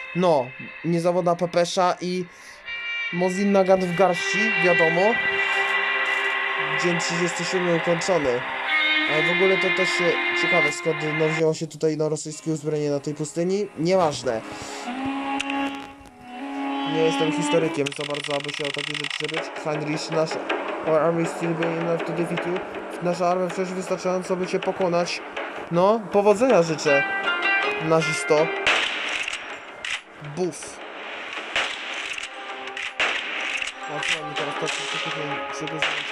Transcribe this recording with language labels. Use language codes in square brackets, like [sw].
[pl] No, niezawodna Pepesza i Mozin Nagant w garści, wiadomo. Dzień 37 ukończony. Ale w ogóle to też ciekawe, skąd no, wzięło się tutaj na rosyjskie uzbrojenie na tej pustyni. Nieważne. Nie jestem historykiem za bardzo, aby się o takie rzeczy zrobić. [en] Heinrich, [pl] nasz [en] our army still being enough to defeat you. [pl] Nasza armia wciąż wystarczająco, by cię pokonać. No, powodzenia życzę, nazisto. Buf. A co mi teraz tak szybko zrobić?